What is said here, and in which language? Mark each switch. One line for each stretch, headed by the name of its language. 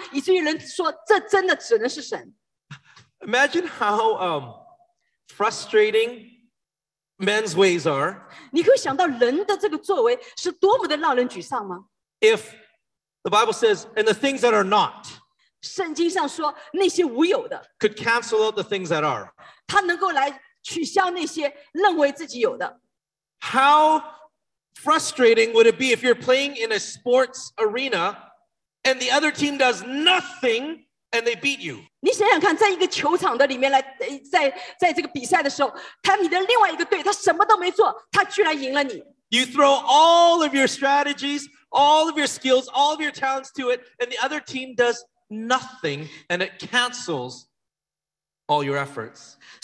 Chinese: 但是呢，跟神的这个解决的方案来讲，好像是这么的不一样，以至于人说这真的只能是神。
English: Imagine how frustrating men's ways are.
Chinese: 你可以想到人的这个作为是多么的让人沮丧吗？
English: If the Bible says, and the things that are not,
Chinese: 圣经上说那些无有的,
English: could cancel out the things that are,
Chinese: 他能够来取消那些认为自己有的。
English: How frustrating would it be if you're playing in a sports arena and the other team does nothing and they beat you?
Chinese: 你想想看，在一个球场的里面来，在这个比赛的时候，他你的另外一个队，他什么都没做，他居然赢了你。
English: You throw all of your strategies, all of your skills, all of your talents to it, and the other team does nothing, and it cancels all your efforts.